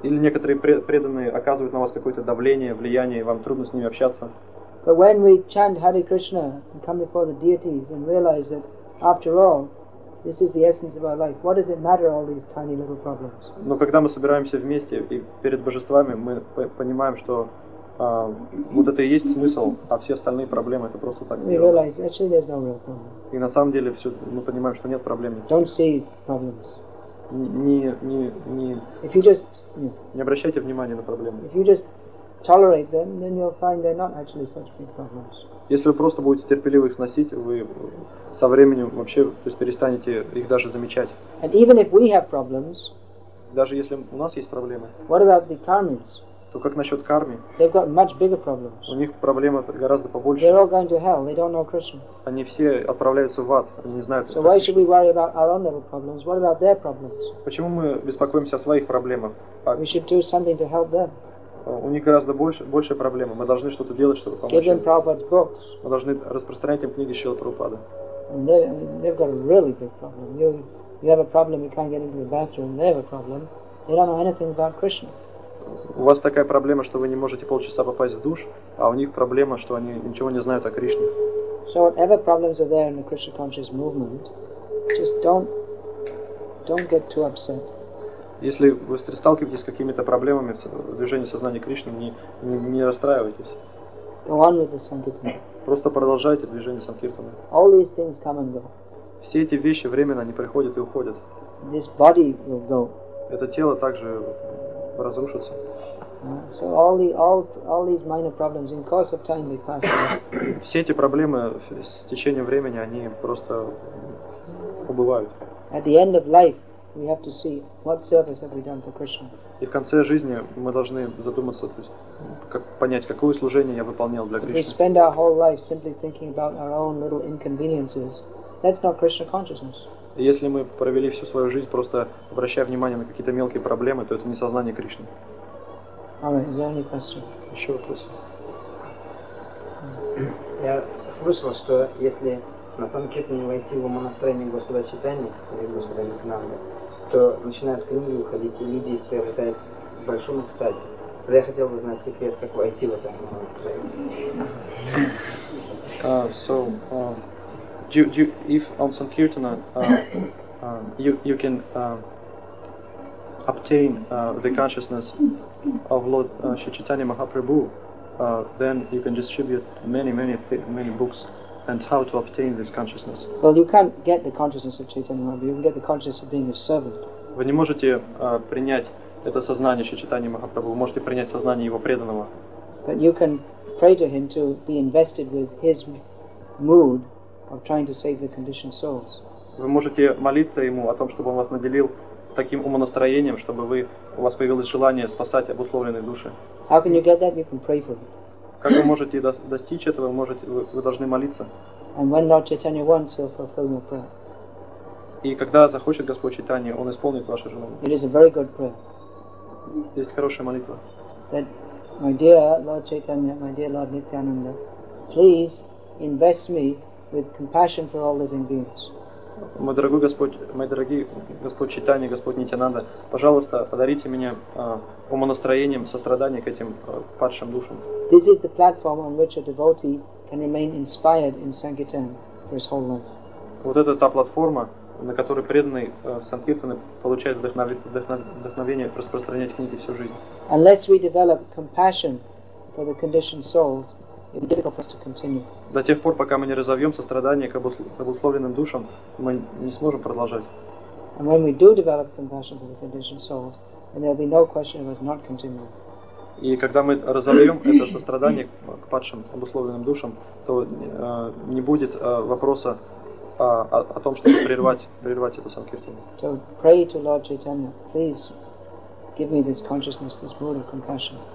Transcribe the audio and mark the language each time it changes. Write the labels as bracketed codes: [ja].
[ru] Или некоторые преданные оказывают на вас какое-то давление, влияние, и вам трудно с ними общаться. [en] But when we chant Hare Krishna and come before the deities and realize that, after all, this is the essence of our life. What does it matter, all these tiny little problems? [ru] Но когда мы собираемся вместе и перед божествами, мы понимаем, что вот это и есть смысл, а все остальные проблемы это просто так. [en] We realize actually there's no real problem. [ru] И на самом деле все мы понимаем, что нет проблем. [en] Don't see problems. [ru] Не. [en] If you just [ru] не обращайте внимания на проблемы. [en] If you just tolerate them, then you'll find they're not actually such big problems. [ru] Если вы просто будете терпеливо их сносить, вы со временем вообще, то есть перестанете их даже замечать. [en] And even if we have problems, [ru] даже если у нас есть проблемы, [en] what about the karmis? [ru] То как насчет кармы? [en] They've got much bigger problems. [ru] У них проблемы гораздо побольше. [en] They're all going to hell. They don't know Krishna. [ru] Они все отправляются в ад. Они не знают. [en] So why should we worry about our own little problems? What about their problems? [ru] Почему мы беспокоимся о своих проблемах? [en] We should do something to help them. [ru] У них гораздо больше проблемы. Мы должны что-то делать, чтобы помочь им. [en] Prabhupada's books. [ru] Мы должны распространять им книги Шрилы Прабхупады. [en] And they, I mean, they've got a really big problem. You have a problem, you can't get into the bathroom. They have a problem. They don't know anything about Krishna. [ru] У вас такая проблема, что вы не можете полчаса попасть в душ, а у них проблема, что они ничего не знают о Кришне. [en] So whatever problems are there in the Krishna conscious movement, just don't get too upset. [ru] Если вы сталкиваетесь с какими-то проблемами в движении сознания Кришны, не расстраивайтесь. [en] Go on with the sankirtana. [ru] Просто продолжайте движение санкиртаны. [en] All these things come and go. [ru] Все эти вещи временно, они приходят и уходят. [en] This body will go. [ru] Это тело также разрушится. [en] So all these minor problems in course of time they pass away. [ru] Все эти проблемы с течением времени они просто убывают. [en] At the end of life, we have to see what service have we done for Krishna. [ru] И в конце жизни мы должны задуматься, то есть как понять, какое служение я выполнял для Кришны. [en] If we spend our whole life simply thinking about our own little inconveniences, that's not Krishna consciousness. [ru] Если мы провели всю свою жизнь просто обращая внимание на какие-то мелкие проблемы, то это не сознание Кришны. [en] Alright, is there any question? [ru] Еще вопросы? Я слышал, что если на Санкирте не войти в умонастроение Господа Читания или Господа Нитинанды, то начинают книги выходить, и люди их приобретают в большом экстазе. Тогда я хотел бы знать секрет, как войти в это умонастроение. [en] Obtain the consciousness of Lord Sri Chaitanya Mahaprabhu, then you can distribute many books. And how to obtain this consciousness? Well, you can't get the consciousness of Chaitanya Mahaprabhu. You can get the consciousness of being a servant. [ru] Вы не можете принять это сознание Шри Чайтаньи Махапрабху. Вы можете принять сознание его преданного. [en] But you can pray to him to be invested with his mood of trying to save the conditioned souls. [ru] Вы можете молиться ему о том, чтобы он вас наделил таким умонастроением, чтобы вы, у вас появилось желание спасать обусловленные души. [en] How can you get that? You can pray for it. [ru] Как вы можете достичь этого? Вы должны молиться. [en] And when Lord Chaitanya wants, he'll fulfill your prayer. [ru] И когда захочет Господь Чайтанья, он исполнит ваше желание. [en] It is a very good prayer. [ru] Есть хорошая молитва. [en] That, my dear Lord Chaitanya, my dear Lord Nityananda, please invest me with compassion for all living beings. [ru] Мой дорогой Господь, мои дорогие Господь Чайтанья, Господь Нитянанда, пожалуйста, подарите мне умонастроением сострадания к этим падшим душам. [en] This is the platform on which a devotee can remain inspired in Sankirtan for his whole life. [ru] Вот это та платформа, на которой преданный в Санкиртане получает вдохновение распространять книги всю жизнь. [en] Unless we develop compassion for the conditioned souls, it's difficult for us to continue. [ru] До тех пор, пока мы не разовьем сострадание к обусловленным душам, мы не сможем продолжать. [en] And when we do develop compassion for the conditioned souls, then there will be no question of us not continuing. [ru] И когда мы разовьем это сострадание к падшим обусловленным душам, то не будет вопроса о том, чтобы прервать эту санкиртану. [en] So pray to Lord Chaitanya, please give me this consciousness, this mood of compassion.